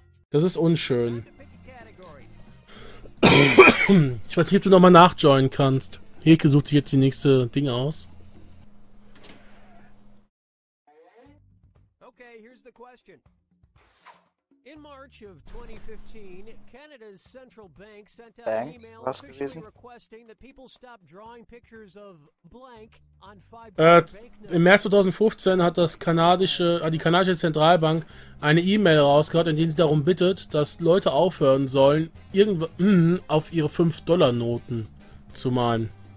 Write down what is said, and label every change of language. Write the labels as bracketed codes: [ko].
[de] Das ist unschön. Ich weiß nicht, ob du nochmal nachjoinen kannst. Heke sucht sich jetzt die nächste Ding aus. [en] Okay, here's the question. In March of 2015, Canada's central bank sent out an email requesting that people stop drawing pictures of blank on five [de] im März 2015 hat das kanadische Zentralbank eine E-Mail rausgehört, in der sie darum bittet, dass Leute aufhören sollen, auf ihre 5-Dollar-Noten zu malen.